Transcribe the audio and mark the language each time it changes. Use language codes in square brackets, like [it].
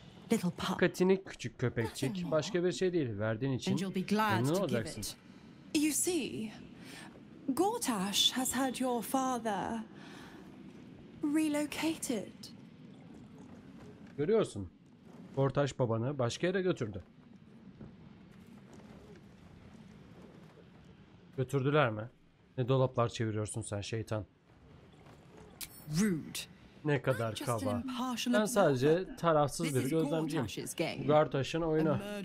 [tr] Dikkatini küçük köpekçik. Başka bir şey değil. Verdiğin için memnun olacaksın. [en] You see, Gortash has had your father relocated. [tr] Görüyorsun, Gortash babanı başka yere götürdü. Götürdüler mi? Ne dolaplar çeviriyorsun sen şeytan? [en] Rude. [tr] Ne kadar kaba. Ben sadece tarafsız bir gözlemciyim. Gortash'ın oyunu.